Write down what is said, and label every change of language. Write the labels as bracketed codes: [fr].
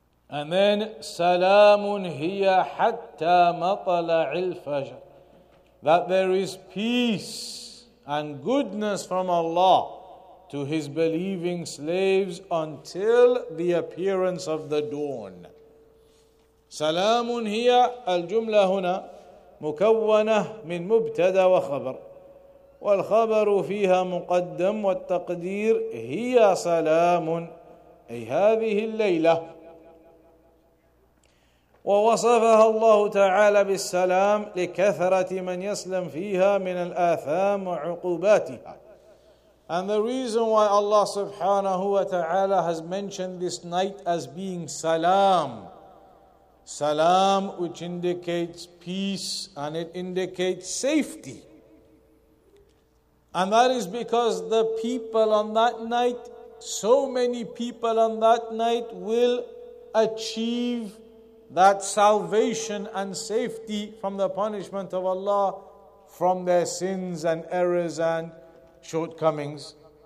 [en] And then [ar] salamun hiya hatta matla'i al-fajr, [en] that there is peace and goodness from Allah to his believing slaves until the appearance of the dawn. [ar] Salamun hiya al-jumla huna مكونة من مبتدا وخبر والخبر فيها مقدم والتقدير هي سلام أي هذه الليلة ووصفها الله تعالى بالسلام لكثرة من يسلم فيها من الآثام وعقوباتها. [en] And the reason why Allah subhanahu wa ta'ala has mentioned this night as being salam, salam which indicates peace and it indicates safety. And that is because the people on that night, so many people on that night will achieve that salvation and safety from the punishment of Allah from their sins and errors and shortcomings.